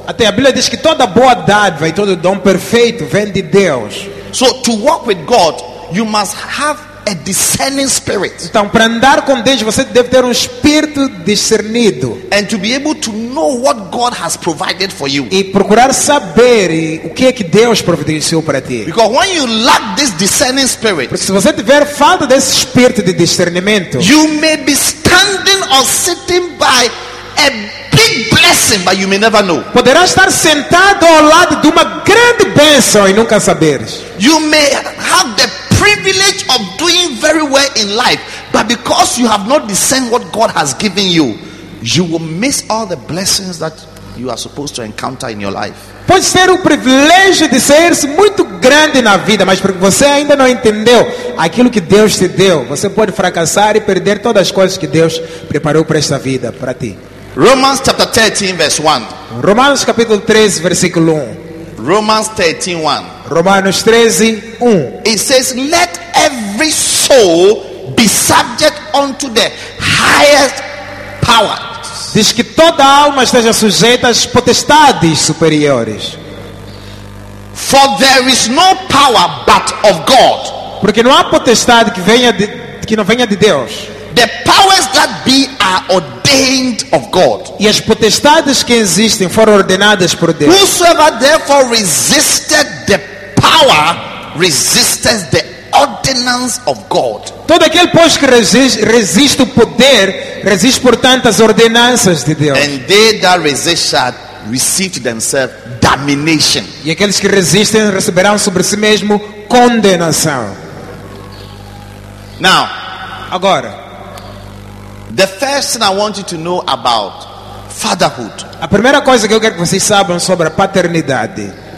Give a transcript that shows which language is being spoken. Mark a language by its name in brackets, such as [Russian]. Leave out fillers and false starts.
[Portuguese] Até a Bíblia diz que toda boa dádiva e todo dom perfeito vem de Deus. [English] So to walk with God, you must have a discerning spirit. [Portuguese] Então, para andar com Deus, você deve ter espírito discernido. [English] And to be able to know what God has provided for you. [Portuguese] E procurar saber o que é que Deus providenciou para ti. [English] Because when you lack this discerning spirit, [Portuguese] porque se você tiver falta desse espírito de discernimento, [English] you may be standing or sitting by a big blessing, but you may never know. [Portuguese] Poderá estar sentado ao lado de uma grande bênção e nunca saberes. [English] You may have the privilege of doing very well in life, but because you have not discerned what God has given you, you will miss all the blessings that you are supposed to encounter in your life. [Portuguese] Pode ser o privilégio de ser-se muito grande na vida, mas porque você ainda não entendeu aquilo que Deus te deu, você pode fracassar e perder todas as coisas que Deus preparou para esta vida, para ti. [English] Romans chapter 13 verse 1. [Portuguese] Romanos capítulo 13 versículo 1. [English] Romans 13 1. [Portuguese] Romanos 13 1. [English] It says, let every soul be subject unto the highest power. [Portuguese] Diz que toda alma esteja sujeita às potestades superiores. [English] For there is no power but of God. [Portuguese] Porque não há potestade que venha de, que não venha de Deus. [English] The powers that be are ordained of God. [Portuguese] E as potestades que existem foram ordenadas por Deus. [English] Whosoever therefore resisted the power resisted the ordinance of God. [Portuguese] Todo aquele pois que resiste o poder resiste portanto às ordenanças de Deus. [English] And they that resist shall receive to themselves damnation. [Portuguese] E aqueles que resistem receberão sobre si mesmo condenação. [English] Now, [Portuguese] agora, [English] the first thing I want you to know about fatherhood. [Portuguese] A primeira coisa que eu quero que vocês saibam sobre a paternidade.